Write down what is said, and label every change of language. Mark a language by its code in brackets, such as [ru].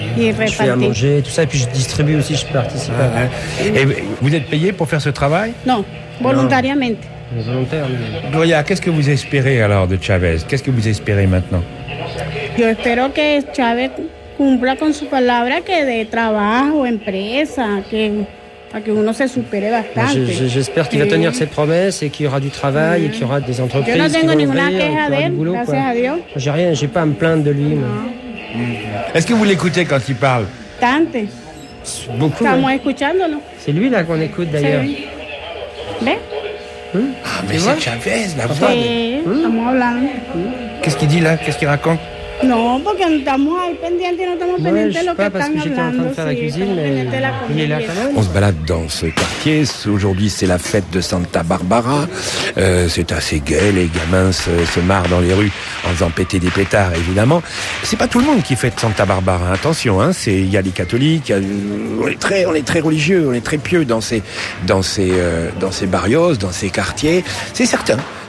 [fr] Je fais à manger, tout ça, puis je distribue aussi, je participe. Ah, hein. Et vous êtes payé pour faire ce travail? Non, volontairement. Gloria, qu'est-ce que vous espérez alors de Chavez? Qu'est-ce que vous espérez maintenant? [es] Yo espero que Chavez cumpla con su palabra que de trabajo, empresa, que... [fr] Moi, j'espère qu'il va tenir ses promesses et qu'il y aura du travail et qu'il y aura des entreprises. Je n'ai rien, j'ai rien, j'ai pas à me plaindre de lui. Mais... Est-ce que vous l'écoutez quand il parle? Tante. Beaucoup. C'est lui là qu'on écoute d'ailleurs. Ah, mais c'est Chavez, la voix. Qu'est-ce qu'il dit là? Qu'est-ce qu'il raconte? [es] Non, porque no estamos ahí pendientes, no estamos pendientes de lo que están hablando. [fr] On se balade dans ce quartier. Aujourd'hui, c'est la fête de Santa Barbara. C'est assez gay. Les gamins se marrent dans les rues en faisant péter des pétards, évidemment. C'est pas tout le monde qui fête Santa Barbara. Attention, hein. Il y a les catholiques. On est très religieux. On est très pieux dans ces barrios, dans ces quartiers. C'est certain.